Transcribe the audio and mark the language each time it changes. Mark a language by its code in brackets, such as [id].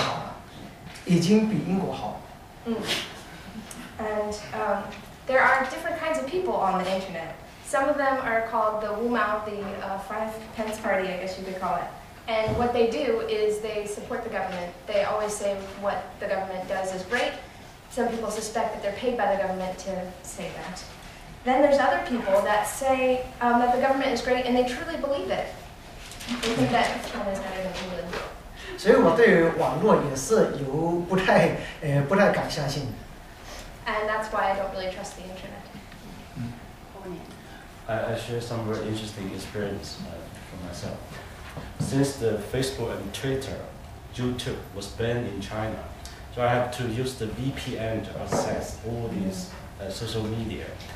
[zh] 而且网络上的那些人，有一部分是叫做五毛，就是他们拿着钱，然后在上面散布一些对政府留怨的言论。另外一部分，他们真的是觉得中国已经好了，已经比英国好。 [en] And there are different kinds of people on the internet. Some of them are called the Wu Mao, the Five Pence Party, I guess you could call it. And what they do is they support the government. They always say what the government does is great. Some people suspect that they're paid by the government to say that. Then there's other people that say that the government is great and they truly believe it. They think that China is better than England. [zh] 所以我对网络也是有不太敢相信。 [en] And that's why I don't really trust the internet. I share some very interesting experience for myself. Since the Facebook and Twitter, YouTube was banned in China, so I have to use the VPN to access all these social media.